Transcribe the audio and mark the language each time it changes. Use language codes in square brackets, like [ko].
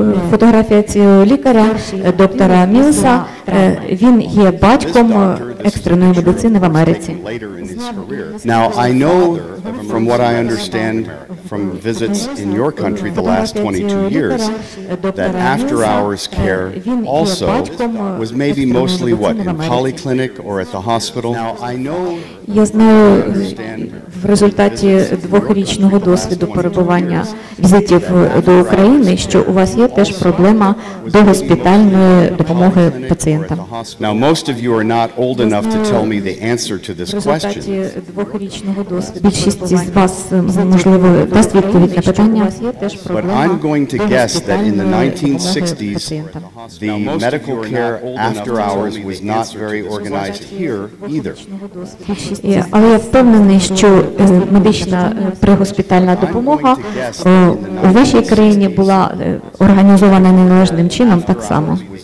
[uk] Фотографія цього лікаря, доктора Мілса, він є батьком екстреної медицини в Америці. [en] Now I know from what I understand from visits in your country the last 22 years that after hours care also was maybe mostly what, in polyclinic or at the hospital? [uk] Я знаю, в результаті двохрічного досвіду перебування візитів до України, що у вас є теж проблема до госпітальної допомоги пацієнтам. [en] Now most of you are not old enough to tell me the answer to this question. [uk] Більшість з вас, можливо, дасть відповідь на питання. [en] But I'm going to guess that in the 1960s the medical care after hours was not very organized here either. [uk] Але я впевнений, що медична пригоспітальна допомога у вашій країні була організована неналежним чином так само.